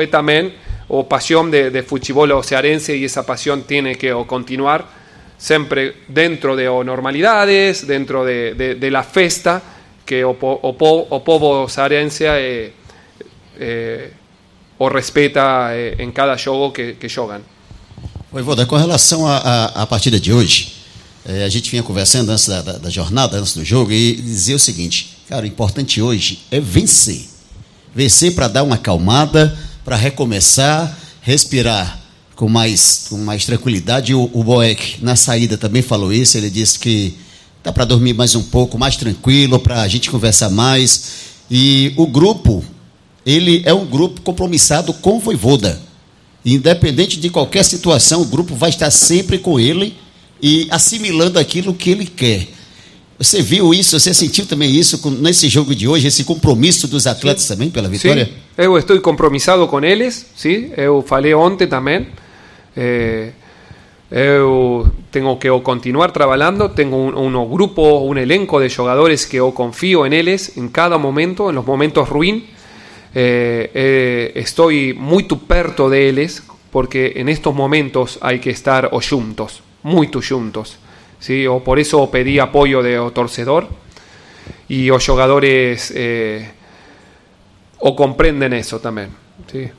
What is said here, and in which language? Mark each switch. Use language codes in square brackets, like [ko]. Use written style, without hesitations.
[es] Es también o pasión de fútbol o cearense, y esa pasión tiene que continuar siempre dentro de o normalidades, dentro de la festa que [pt] o povo cearense o respeita em cada jogo que jogam. Oi, Voda, com relação à partida de hoje, a gente vinha conversando antes da jornada, antes do jogo, e dizia o seguinte: cara, o importante hoje é vencer. Vencer para dar uma acalmada, para recomeçar, respirar com mais tranquilidade. O Boeck, na saída, também falou isso. Ele disse que dá para dormir mais um pouco, mais tranquilo, para a gente conversar mais. E o grupo, ele é um grupo compromissado com o Vaivoda. Independente de qualquer situação, o grupo vai estar sempre com ele e assimilando aquilo que ele quer. Você viu isso? Você sentiu também isso nesse jogo de hoje, esse compromisso dos atletas, sim, também pela vitória? Sim. Eu estou compromissado com eles, sim. Eu falei ontem também. Eu tenho que continuar trabalhando. Tenho um elenco de jogadores que eu confio em eles em cada momento, em os momentos ruins. [es] Estoy muy perto de ellos, porque en estos momentos hay que estar juntos, muy juntos, ¿sí? O por eso pedí apoyo de o torcedor, y los jugadores o comprenden eso también, ¿sí?